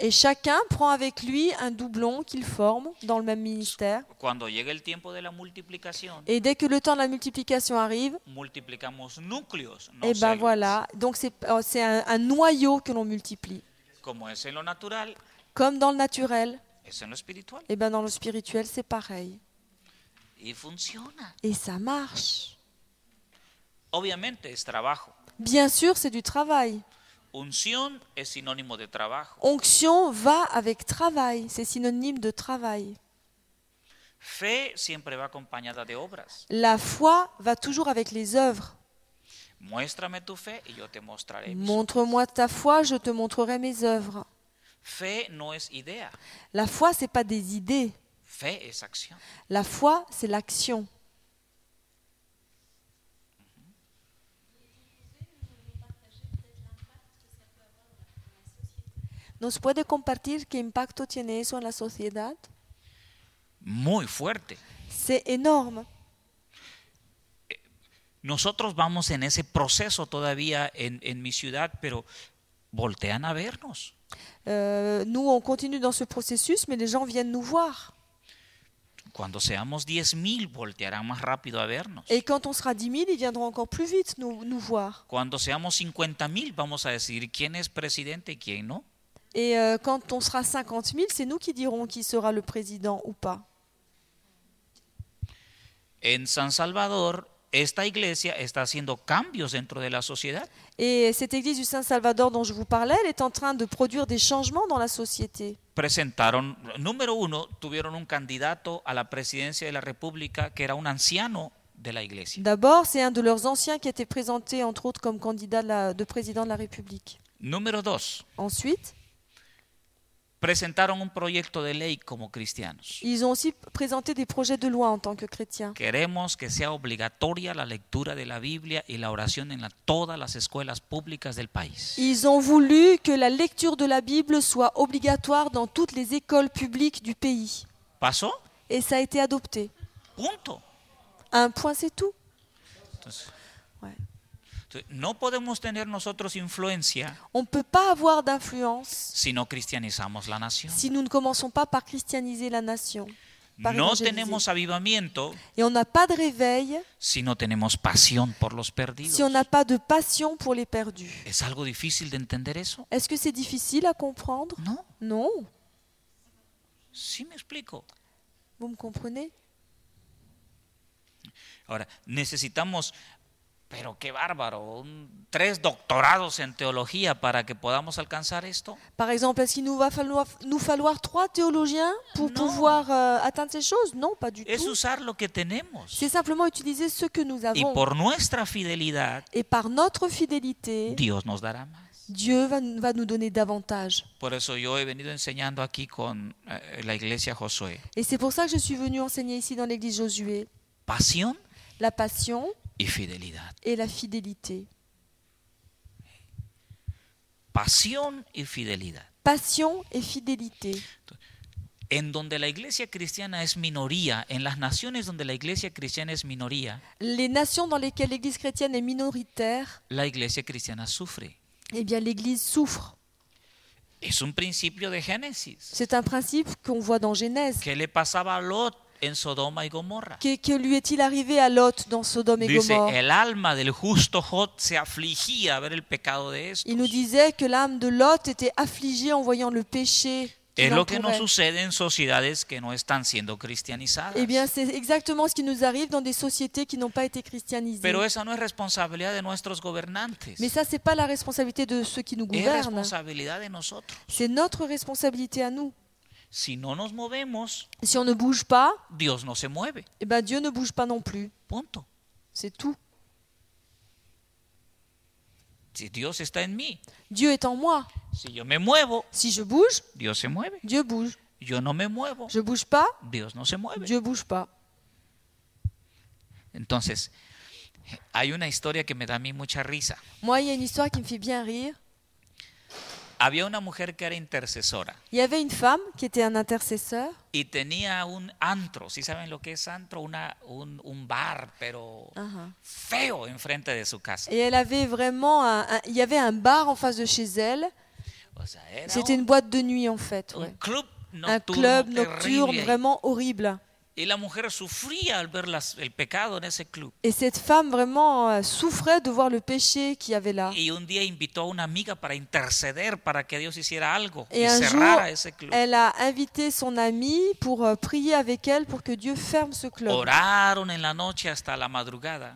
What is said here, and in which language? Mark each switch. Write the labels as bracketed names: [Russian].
[French] Et chacun prend avec lui un doublon qu'il forme dans le même ministère. [Spanish] Cuando llega el tiempo de la multiplicación. [French] Et dès que le temps de la multiplication arrive. [Spanish] Multiplicamos núcleos, no [French] células. Et ben voilà, donc c'est un noyau que l'on multiplie. [Spanish] Como es en lo natural. [French] Comme dans le naturel. [Spanish] Es en lo espiritual. [French] Et ben dans le spirituel c'est pareil. [Spanish] Y funciona. [French] Et ça marche. [Spanish] Obviamente es trabajo. [French] Bien sûr, c'est du travail. [Spanish] Unción es sinónimo de trabajo. [French] Onction va avec travail, c'est synonyme de travail. [Spanish] Fe siempre va acompañada de obras. [French] La foi va toujours avec les œuvres. [Spanish] Muéstrame tu fe y yo te mostraré. [French] Montre-moi ta foi, je te montrerai mes œuvres. [Spanish] Fe no es idea. [French] La foi c'est pas des idées. [Spanish] Fe es acción. [French] La foi, c'est l'action. [Spanish] ¿Nos puede compartir qué impacto tiene eso en la sociedad? Muy fuerte. [French] C'est énorme. [Spanish] Nosotros vamos en ese proceso todavía en mi ciudad, pero voltean a vernos. [French] Nous, on continue dans ce processus, mais les gens viennent nous voir. [Spanish] Cuando seamos 10,000 voltearán más rápido a vernos. [French] Et quand on sera 10,000, ils viendront encore plus vite nous voir. [Spanish] Cuando seamos 50,000, vamos a decidir quién es presidente y quién no. [French] Et quand on sera 50,000, c'est nous qui dirons qui sera le président ou pas. [Spanish] En San Salvador, esta iglesia está haciendo cambios dentro de la sociedad. [French] Et cette église du Saint-Salvador dont je vous parlais, elle est en train de produire des changements dans la société. [Spanish] Presentaron, número uno, tuvieron un candidato a la presidencia de la República que era un anciano de la iglesia. [French] D'abord, c'est un de leurs anciens qui était présenté, entre autres, comme candidat de président de la République. [Spanish] Número dos. [French] Ensuite. [Spanish] presentaron un proyecto de ley como cristianos. [French] Ils ont aussi présenté des projets de loi en tant que chrétiens. [Spanish] Queremos que sea obligatoria la lectura de la Biblia y la oración en todas las escuelas públicas del país. [French] Ils ont voulu que la lecture de la Bible soit obligatoire dans toutes les écoles publiques du pays. [Spanish] ¿Pasó? [French] Et ça a été adopté. [Spanish] Punto. [French] Un point, c'est tout. [Spanish] No podemos tener nosotros influencia. [French] On peut pas avoir d'influence. [Spanish] Si no cristianizamos la nación. [French] Si nous ne commençons pas par christianiser la nation. [Spanish] No tenemos avivamiento. [French] Et on n'a pas de réveil. [Spanish] Si no tenemos pasión por los perdidos. [French] Si on n'a pas de passion pour les perdus. [Spanish] ¿Es algo difícil de entender eso? [French] Est-ce que c'est difficile à comprendre? Non. Non. [Spanish] ¿Sí me explico? [French] Vous me comprenez? [Spanish] Ahora, necesitamos. Pero qué bárbaro, tres doctorados en teología para que podamos alcanzar esto. [French] Par exemple, est-ce qu'il nous va falloir trois théologiens pour pouvoir atteindre ces choses? Non, pas du tout. [Spanish] Es usar lo que tenemos. [French] C'est simplement utiliser ce que nous avons. [Spanish] Y por nuestra fidelidad. [French] Et par notre fidélité. [Spanish] Dios nos dará más. [French] Dieu va nous donner davantage. [Spanish] Por eso yo he venido enseñando aquí con la iglesia Josué. [French] Et c'est pour ça que je suis venu enseigner ici dans l'église Josué. [Spanish] Pasión. [French] La passion. [Spanish] Y fidelidad. [French] Et la fidélité. [Spanish] Pasión y fidelidad. [French] Passion et fidélité. [Spanish] En donde la iglesia cristiana es minoría, en las naciones donde la iglesia cristiana es minoría. [French] Les nations dans lesquelles l'église chrétienne est minoritaire. [Spanish] La iglesia cristiana sufre. [French] Eh bien, l'église souffre. [Spanish] Es un principio de Génesis. [French] C'est un principe qu'on voit dans Genèse. [Spanish] ¿Qué le pasaba a Lot? En Sodoma y Gomorra. [French] Que lui est-il arrivé à Lot dans Sodome et Gomorra? [Spanish] Dice, el alma del justo Lot se afligía a ver el pecado de estos. [French] Il nous disait que l'âme de Lot était affligée en voyant le péché. [Spanish] Es lo que nos sucede en sociedades que no están siendo cristianizadas. [French] Eh bien, c'est exactement ce qui nous arrive dans des sociétés qui n'ont pas été christianisées. [Spanish] Pero esa no es responsabilidad de nuestros gobernantes. [French] Mais ça, c'est pas la responsabilité de ceux qui nous gouvernent. [Spanish] Es responsabilidad de nosotros. [French] C'est notre responsabilité à nous. [Spanish] Si no nos movemos, [French] si on ne bouge pas, [Spanish] Dios no se mueve. [French] Eh ben Dieu ne bouge pas non plus. [Spanish] Punto. [French] C'est tout. [Spanish] Si Dios está en mí, [French] Dieu est en moi. [Spanish] Si yo me muevo, [French] si je bouge, [Spanish] Dios se mueve. [French] Dieu bouge. [Spanish] Yo no me muevo. [French] Je bouge pas. [Spanish] Dios no se mueve. [French] Dieu bouge pas. [Spanish] Entonces, hay una historia que me da a mí mucha risa. [French] Moi, il y a une histoire qui me fait bien rire. [Spanish] Había una mujer que era intercesora. [French] Il y avait une femme qui était un intercesseur. [Spanish] Y tenía un antro, ¿sí saben lo que es antro? Un bar, pero feo enfrente de su casa. [French] Et elle avait vraiment il y avait un bar en face de chez elle. [Spanish] O sea, era [French] c'était une boîte de nuit en fait, un ouais. [Spanish] Club nocturno, [French] un club [Spanish] terrible, [French] nocturne vraiment horrible. [Spanish] Y la mujer sufría al ver el pecado en ese club. [French] Et cette femme vraiment souffrait de voir le péché qu'il y avait là. [Spanish] Y un día invitó a una amiga para interceder para que Dios hiciera algo [French] et [Spanish] y un cerrara ese club. [French] Elle a invité son amie pour prier avec elle pour que Dieu ferme ce club. [Spanish] Oraron en la noche hasta la madrugada.